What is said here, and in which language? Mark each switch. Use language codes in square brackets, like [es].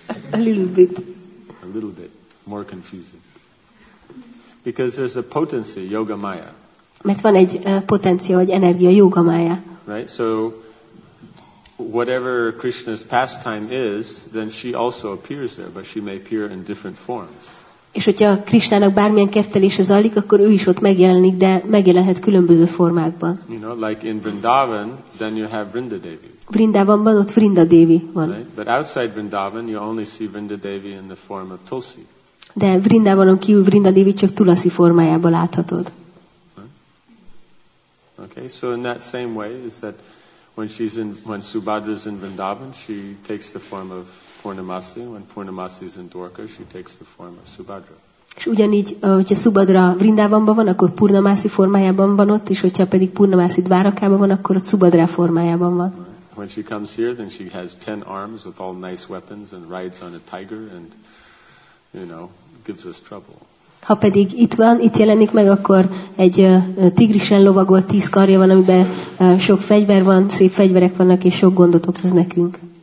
[en] A little bit more confusing. Because there's a potency, yoga maya. [hu] Mert van egy potencia, vagy energia, yoga maya. [en] Right? So whatever Krishna's pastime is, then she also appears there, but she may appear in different forms. [hu] És hogyha Krisnának bármilyen kertelése zajlik, akkor ő is ott megjelenik, de megjelenhet különböző formákban. [en] You know, like in Vrindavan, then you have Vrinda Devi. [hu] Vrindavanban ott Vrinda Devi van. [en] Right? But outside Vrindavan, you only see Vrinda Devi in the form of Tulsi. [hu] De Vrindavanon kívül Vrinda Devi csak Tulasi formájában láthatod. [en] Okay, so in that same way is that when Subhadra's in Vrindavan, she takes the form of Purnamasi, when Purnamasi is in Dwarka, she takes the form of Subhadra. [hu] És ugyanígy, hogyha Subhadra Vrindavanban van, akkor Purnamasi formájában van ott, és hogyha pedig Purnamasi Dvárakában van, akkor ott Subhadra formájában van. [en] When she comes here, then she has 10 arms with all nice weapons and rides on a tiger and, you know, gives us trouble. [hu] Ha pedig itt van, itt jelenik meg, akkor egy tigrisen lovagolt 10 karja van, amiben sok fegyver van, szép fegyverek vannak, és sok gondot okoz nekünk.